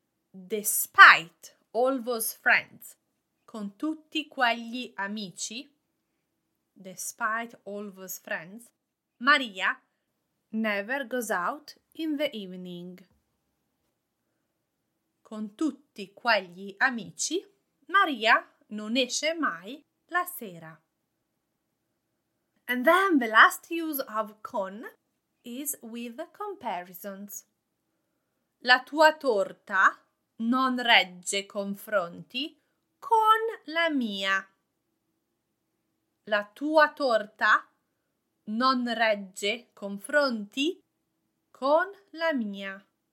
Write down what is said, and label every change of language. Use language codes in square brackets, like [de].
[en] Despite all those friends. [it] Con tutti quegli amici, [en] despite all those friends, Maria never goes out in the evening. [it] Con tutti quegli amici, Maria non esce mai la sera. [en] And then the last use of con is with comparisons. [it] La tua torta non regge confronti con la mia. La tua torta non regge confronti con la mia.